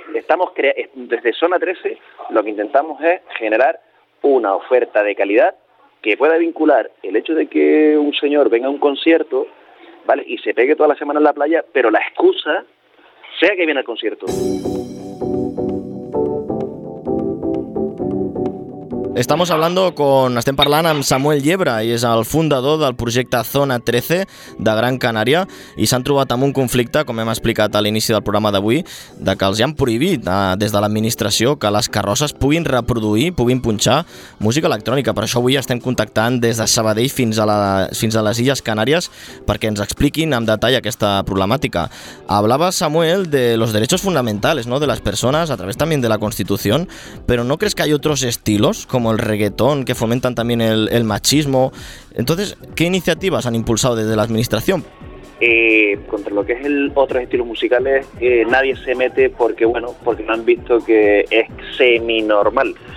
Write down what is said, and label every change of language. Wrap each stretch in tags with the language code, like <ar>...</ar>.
<es>Estamos desde Zona 13 lo que intentamos es generar una oferta de calidad que pueda vincular el hecho de que un señor venga a un concierto, ¿vale?, y se pegue toda la semana en la playa, pero la excusa sea que viene al concierto. Estamos hablando con,</es> <ca>estem parlant amb Samuel Llebre, i és el fundador del projecte Zona 13 de Gran Canària, i s'han trobat amb un conflicte, com hem explicat a l'inici del programa d'avui, de que els han prohibit des de l'administració que les carrosses puguin reproduir, puguin punxar música electrònica. Per això avui estem contactant des de Sabadell fins a les Illes Canàries perquè ens expliquin amb detall aquesta problemàtica.</ca> <es>Hablava Samuel de los derechos fundamentales, ¿no?, de las personas a través también de la Constitución, pero ¿no crees que hay otros estilos, como el reggaetón, que fomentan también el machismo? Entonces, ¿qué iniciativas han impulsado desde la administración? Contra lo que es el otros estilos musicales, nadie se mete porque, bueno, porque no han visto que es semi-normal.</es>